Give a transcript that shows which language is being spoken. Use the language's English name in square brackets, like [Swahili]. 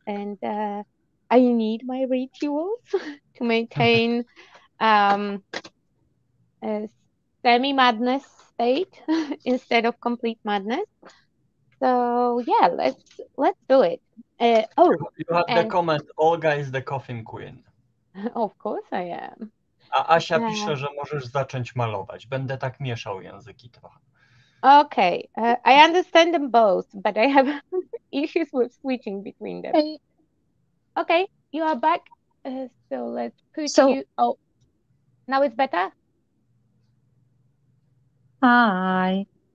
[English] And I need my rituals to maintain semi-madness state instead of complete madness. So yeah, let's do it. You have the comment, Olga is the coffin queen. Of course I am. [Polish] A Asia pisze, że możesz zacząć malować. Będę tak mieszał języki trochę. [English] Okay, I understand them both, but I have issues with switching between them. Okay, you are back. So let's put you... Oh, now it's better? Hi.